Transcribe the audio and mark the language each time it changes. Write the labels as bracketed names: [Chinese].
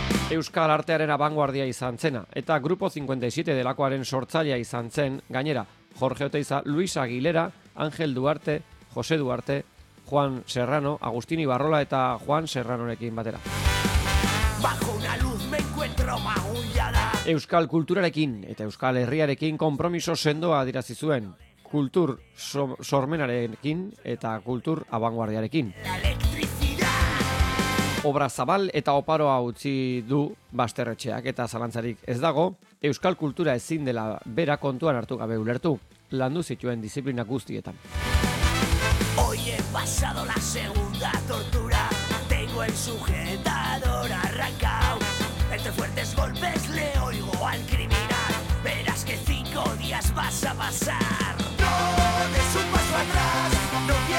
[Basque] Euskal artearen abanguardia izan zena, eta Grupo 57 delakoaren sortzailea izan zen, gainera, Jorge Oteiza, Luis Aguilera, Ángel Duarte, Jose Duarte, Juan Serrano, Agustín Ibarrola eta Juan Serranorekin batera. [Spanish] Bajo una luz me encuentro magullada. [Basque] Euskal kulturarekin eta Euskal Herriarekin konpromiso sendoa adierazi zuen. Kultur sormenarekin eta kultur abanguardiarekin. Obra zabal eta oparoa utzi du Basterretxeak eta zalantzarik ez dago, Euskal kultura ezin dela bera kontuan hartu gabe ulertu, landu zituen disiplina guztietan. [Spanish] Hoy he pasado la segunda tortura, tengo el sujetador arrancao, entre fuertes golpes le oigo al criminal, verás que 5 días vas a pasar. No des un paso atrás, no.